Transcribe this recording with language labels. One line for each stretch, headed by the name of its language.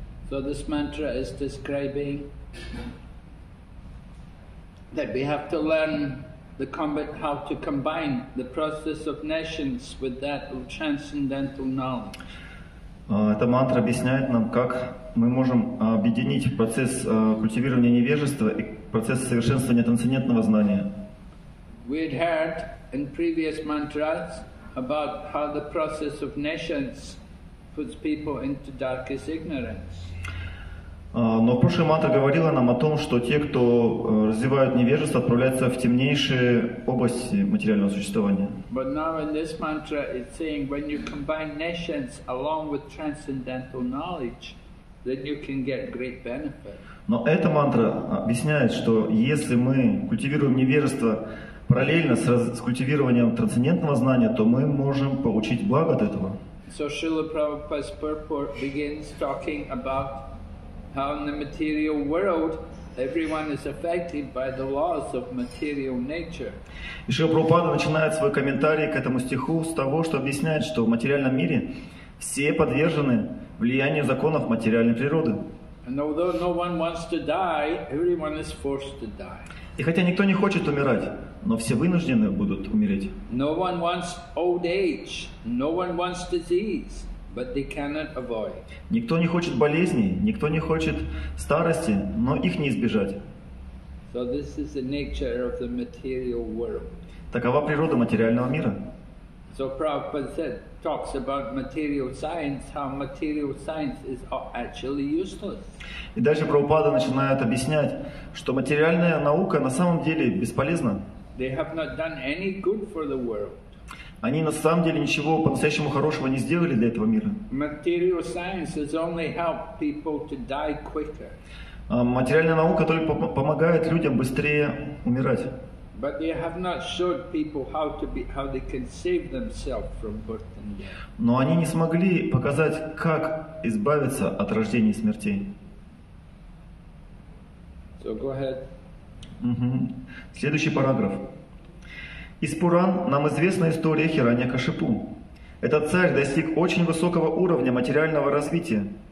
English: So this mantra is describing that we have to learn the how to combine the process of nations with that of transcendental knowledge.
Russian: Эта мантра объясняет нам, как мы можем объединить процесс культивирования невежества и процесс совершенствования трансцендентного знания.
English: We had heard in previous mantras about how the process of nations puts people into darkest ignorance.
Russian: Но прошлая мантра говорила нам о том, что те, кто развивают невежество, отправляются в темнейшие области материального существования.
English: But now in this mantra it's saying when you combine nescience along with transcendental knowledge, then you can get great benefit.
Russian: Но эта мантра объясняет, что если мы культивируем невежество параллельно с культивированием трансцендентного знания, то мы можем получить благо от этого.
English: So Srila Prabhupada's purport begins talking about how in the material world everyone is affected by the laws of material nature.
Russian: И Шрила Прабхупада начинает свой комментарий к этому стиху с того, что объясняет, что в материальном мире все подвержены влиянию законов материальной природы.
English: And although no one wants to die, everyone is forced to die.
Russian: И хотя никто не хочет умирать, но все вынуждены будут умереть.
English: No one wants old age, no one wants disease. But they cannot avoid.
Russian: Никто не хочет болезней, никто не хочет старости, но их не избежать.
English: So this is the nature of the material world.
Russian: Такова природа материального мира.
English: So Prabhupada said, talks about material science, how material science is actually useless.
Russian: И дальше Прабхупада начинает объяснять, что материальная наука на самом деле бесполезна.
English: They have not done any good for the world.
Russian: Они на самом деле ничего по-настоящему хорошего не сделали для этого мира.
English: Material science has only helped people to die quicker.
Russian: Материальная наука только помогает людям быстрее умирать.
English: But they have not showed people how they can save themselves from birth and death.
Russian: Но они не смогли показать, как избавиться от рождения и смертей.
English: So go ahead.
Russian: Следующий параграф. Из Пуран нам известна история Хираньякашипу. Этот царь достиг очень высокого уровня материального развития.